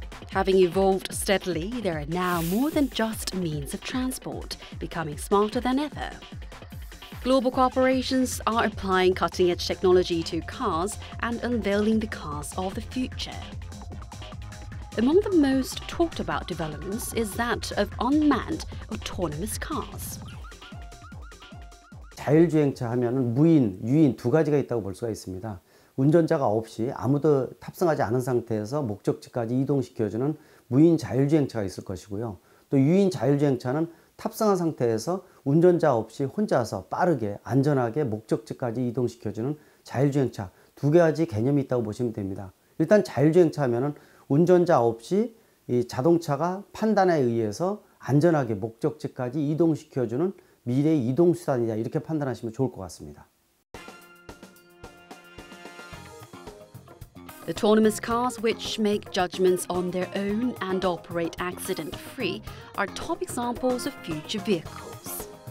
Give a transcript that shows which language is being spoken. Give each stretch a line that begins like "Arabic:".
English: Having evolved steadily, there are now more than just means of transport, becoming smarter than ever. Global corporations are applying cutting-edge technology to cars and unveiling the cars of the future. Among the most talked-about developments is that of unmanned autonomous cars.
Korean: 자율주행차 하면은 무인, 유인 두 가지가 있다고 볼 수가 있습니다. 운전자가 없이 아무도 탑승하지 않은 상태에서 목적지까지 이동시켜주는 무인 자율주행차가 있을 것이고요. 또 유인 자율주행차는 탑승한 상태에서 운전자 없이 혼자서 빠르게 안전하게 목적지까지 이동시켜주는 자율주행차 두 가지 개념이 있다고 보시면 됩니다. 일단 자율주행차 하면은 운전자 없이 이 자동차가 판단에 의해서 안전하게 목적지까지 이동시켜주는 미래의 이동수단이다 이렇게 판단하시면 좋을 것 같습니다.
English: Autonomous cars which make judgments on their own and operate accident-free are top examples of future vehicles.